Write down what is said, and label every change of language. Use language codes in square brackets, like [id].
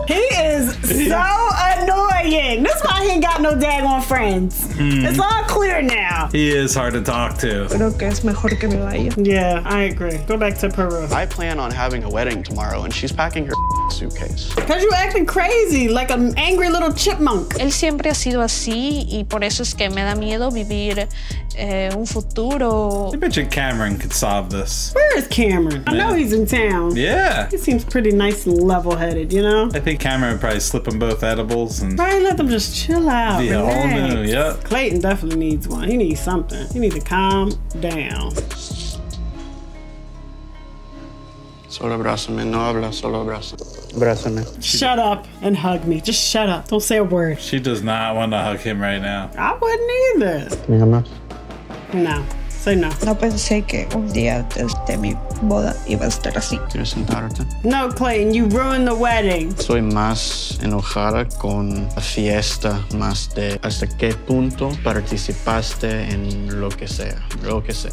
[en] He is so annoying. That's why he ain't got no daggone friends. Mm. It's all clear now. He is hard to talk to. [es] Creo que es mejor que me vaya. [en] Yeah, I agree. Go back to Peru. I plan on having a wedding tomorrow, and she's packing her suitcase. Because you're acting crazy, like an angry little chipmunk. [es] Él siempre ha sido así, y por eso es que me da miedo vivir un futuro. [en] I bet you Cameron could solve this. Where is Cameron? Yeah. I know he's in town. Yeah. He seems pretty nice and level-headed, you know? I think Cameron would probably slip them both edibles and... Probably let them just chill out. Yeah, relax. All new, yep. Clayton definitely needs one. He needs something. He needs to calm down. [es] Solo abrázame, no habla, solo abrázame. Abrázame. [en] Shut up and hug me. Just shut up. Don't say a word. She does not want to hug him right now. I wouldn't either. [es] Diga más. [en] No. Say no. [es] No pensé que un día desde mi boda iba a estar así. ¿Quieres sentarte? [en] No, Clayton, you ruined the wedding. [es] Soy más enojada con la fiesta, más de hasta qué punto participaste en lo que sea, lo que sea.